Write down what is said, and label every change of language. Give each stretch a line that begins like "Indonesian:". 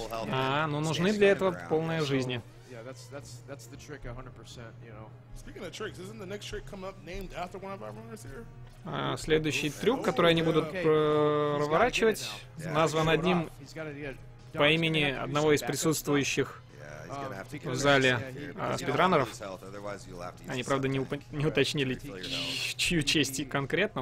Russian: А, ну нужны для этого полные жизни.
English: That's the trick 100%, you know. Speaking of tricks, isn't the next trick come up named after one of our runners here?
Russian: Следующий трюк, который они будут проворачивать, назван одним по имени одного из присутствующих в зале спидранеров. Они, правда, не уточнили, чью честь конкретно.